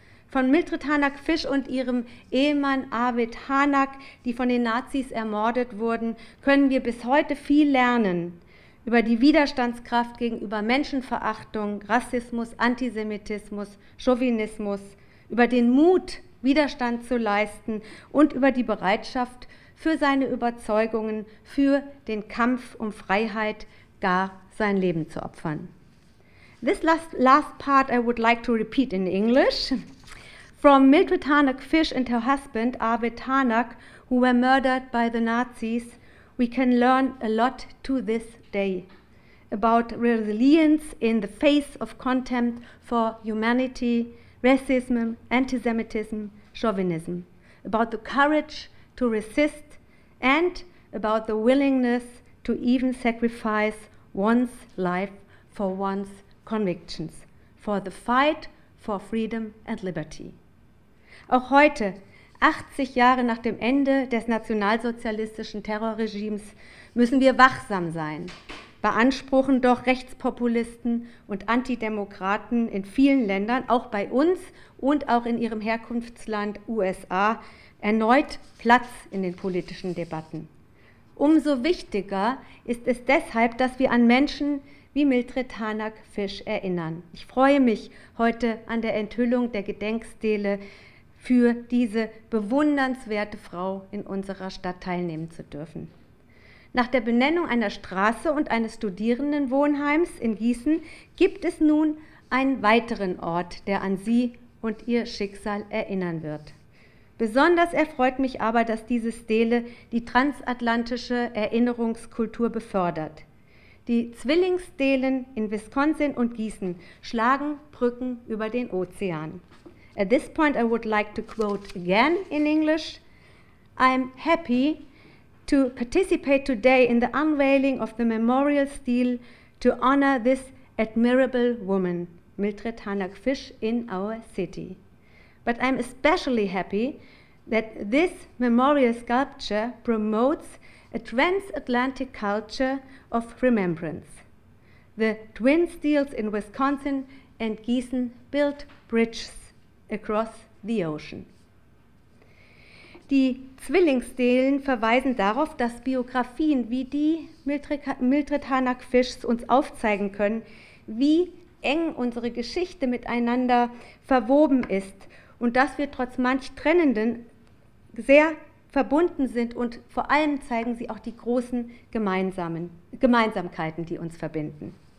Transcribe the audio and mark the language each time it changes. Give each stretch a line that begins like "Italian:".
German: Von Mildred Harnack-Fish und ihrem Ehemann Arvid Harnack, die von den Nazis ermordet wurden, können wir bis heute viel lernen über die Widerstandskraft gegenüber Menschenverachtung, Rassismus, Antisemitismus, Chauvinismus, über den Mut, Widerstand zu leisten und über die Bereitschaft, für seine Überzeugungen, für den Kampf um Freiheit, gar sein Leben zu opfern.
English: This last part I would like to repeat in English. From Mildred Harnack-Fish and her husband, Arvid Harnack, who were murdered by the Nazis, we can learn a lot to this day about resilience in the face of contempt for humanity, racism, antisemitism, chauvinism, about the courage to resist and about the willingness to even sacrifice one's life for one's convictions, for the fight for freedom and liberty.
German: Auch heute, 80 Jahre nach dem Ende des nationalsozialistischen Terrorregimes, müssen wir wachsam sein, beanspruchen doch Rechtspopulisten und Antidemokraten in vielen Ländern, auch bei uns und auch in ihrem Herkunftsland USA, erneut Platz in den politischen Debatten. Umso wichtiger ist es deshalb, dass wir an Menschen wie Mildred Harnack-Fish erinnern. Ich freue mich heute an der Enthüllung der Gedenkstele für diese bewundernswerte Frau in unserer Stadt teilnehmen zu dürfen. Nach der Benennung einer Straße und eines Studierendenwohnheims in Giessen gibt es nun einen weiteren Ort, der an sie und ihr Schicksal erinnern wird. Besonders erfreut mich aber, dass diese Stele die transatlantische Erinnerungskultur befördert. Die Zwillingsstelen in Wisconsin und Giessen schlagen Brücken über den Ozean.
English: At this point I would like to quote again in English. I'm happy to participate today in the unveiling of the memorial stele to honor this admirable woman, Mildred Harnack-Fish, in our city. But I'm especially happy that this memorial sculpture promotes a transatlantic culture of remembrance. The twin steles in Wisconsin and Giessen built bridges across the ocean.
German: Die Zwillingsstelen verweisen darauf, dass Biografien wie die Mildred Harnack-Fischs uns aufzeigen können, wie eng unsere Geschichte miteinander verwoben ist und dass wir trotz manch Trennenden sehr verbunden sind, und vor allem zeigen sie auch die großen Gemeinsamkeiten, die uns verbinden.